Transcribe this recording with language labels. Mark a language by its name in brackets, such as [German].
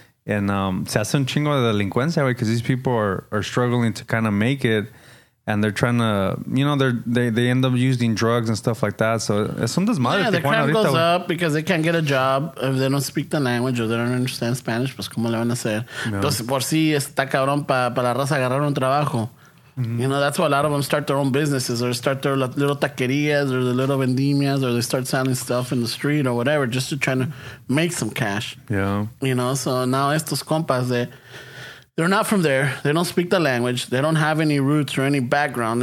[English] And [Spanish] se hace un chingo de delincuencia, güey, [English] because these people are struggling to kind of make it. And they're trying to, you know, they end up using drugs and stuff like that. So sometimes the crime goes up because they can't get a job if they don't speak the language or they don't understand Spanish. [Spanish] Pues cómo le van a hacer. Entonces por si está cabrón para la raza agarrar un trabajo. Mm-hmm. [English] You know, that's why a lot of them start their own businesses or start their little taquerias or the little vendimias, or they start selling stuff in the street or whatever, just to try to make some cash. Yeah. You know, so now [Spanish] estos compas de. [English] They're not from there. They don't speak the language. They don't have any roots or any background.